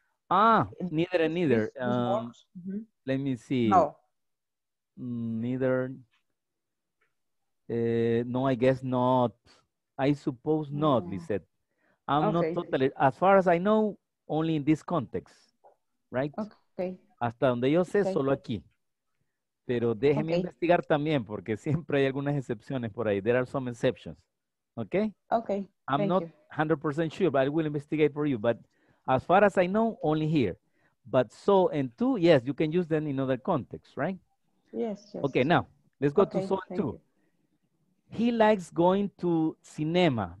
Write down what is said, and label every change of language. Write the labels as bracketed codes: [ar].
[en] Ah, neither and neither. Let me see. No. Neither. No, I guess not. I suppose not, Lizette. I'm okay. Not totally, as far as I know, only in this context, right? Okay. [es] Hasta donde yo sé, okay. Solo aquí. Pero déjeme okay. Investigar también, porque siempre hay algunas excepciones por ahí. [en] There are some exceptions. Okay? Okay. I'm not 100% sure, but I will investigate for you. But as far as I know, only here. But so and two, yes, you can use them in other contexts, right? Yes. Okay, now, let's go to so and two. He likes going to cinema.